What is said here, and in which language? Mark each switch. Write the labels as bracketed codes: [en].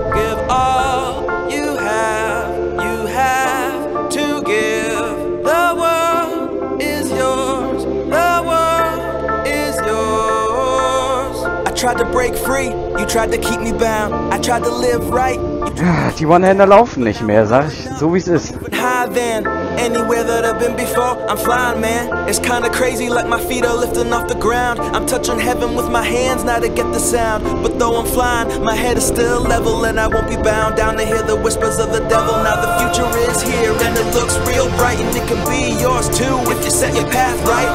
[en] Give all you have to give. The world is yours, the world is yours. I tried to break free, you tried to keep me bound. I tried to live right. [de] Die One-Hander laufen nicht mehr, sag ich, so wie es ist. [en] High then, anywhere that I've been before, I'm flying, man. It's kinda crazy, like my feet are lifting off the ground. I'm touching heaven with my hands now to get the sound. But though I'm flying, my head is still level and I won't be bound down to hear the whispers of the devil. Now the future is here and it looks real bright and it can be yours too if you set your path right.